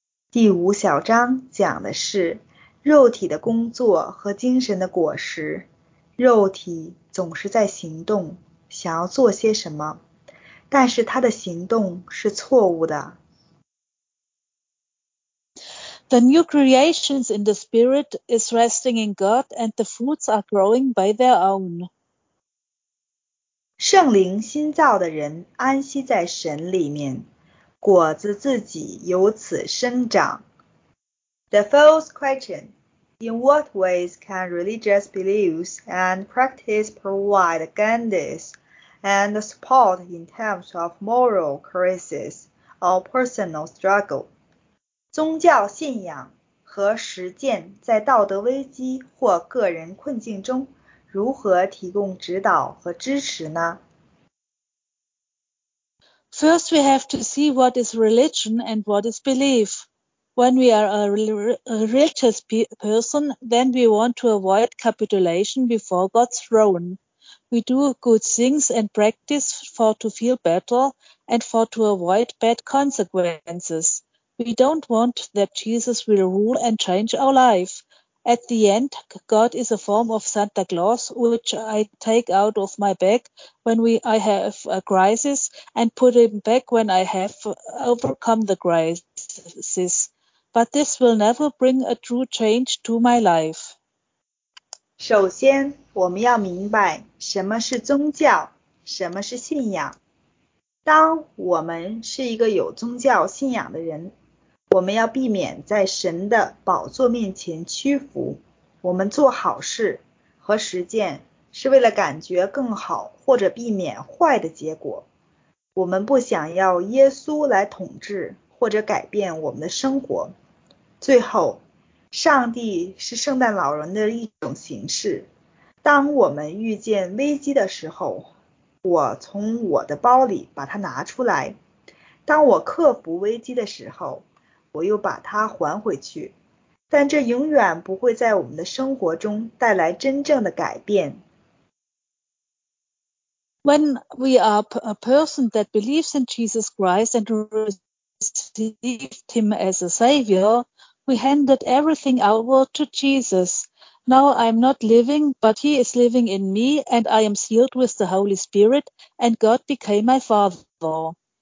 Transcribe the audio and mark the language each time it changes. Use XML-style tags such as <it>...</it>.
<zh>第五小章讲的是肉体的工作和精神的果实，肉体总是在行动，想要做些什么，但是他的行动是错误的。</zh> <en>The new creations in the spirit is resting in God and the fruits are growing by their own.</en> <zh>圣灵新造的人安息在神里面，果子自己由此生长。</zh> <en>The first question, in what ways can religious beliefs and practice provide guidance and support in times of moral crisis or personal struggle?</en> <zh>宗教信仰和实践在道德危机或个人困境中如何提供指导和支持呢？</zh> <en>First, we have to see what is religion and what is belief. When we are a religious person, then we want to avoid capitulation before God's throne. We do good things and practice for to feel better and for to avoid bad consequences. We don't want that Jesus will rule and change our life. At the end, God is a form of Santa Claus, which I take out of my bag when I have a crisis and put him back when I have overcome the crisis. But this will never bring a true change to my life.</en> <zh>首先，我们要明白什么是宗教，什么是信仰。当我们是一个有宗教信仰的人，我们要避免在神的宝座面前屈服。我们做好事和实践是为了感觉更好或者避免坏的结果。我们不想要耶稣来统治或者改变我们的生活。最后，上帝是圣诞老人的一种形式。当我们遇见危机的时候，我从我的包里把它拿出来。当我克服危机的时候，我又把它还回去，但这永远不会在我们的生活中带来真正的改变。</zh> <en>When we are a person that believes in Jesus Christ and received him as a savior, we handed everything over to Jesus. Now I'm not living, but he is living in me, and I am sealed with the Holy Spirit, and God became my father.</en>